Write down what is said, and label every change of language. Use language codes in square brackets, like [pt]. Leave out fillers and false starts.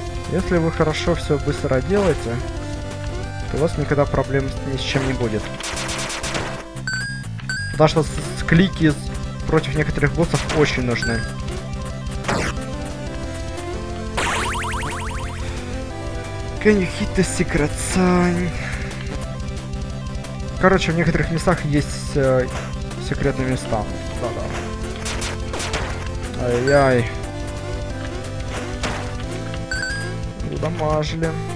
[ru] Если вы хорошо все быстро делаете, то у вас никогда проблем ни с чем не будет. Потому что клики против некоторых боссов очень нужны. [en] Can you hit the secret sign? [ru] Короче, в некоторых местах есть секретные места. Да-да. Ай-яй. Удамажили.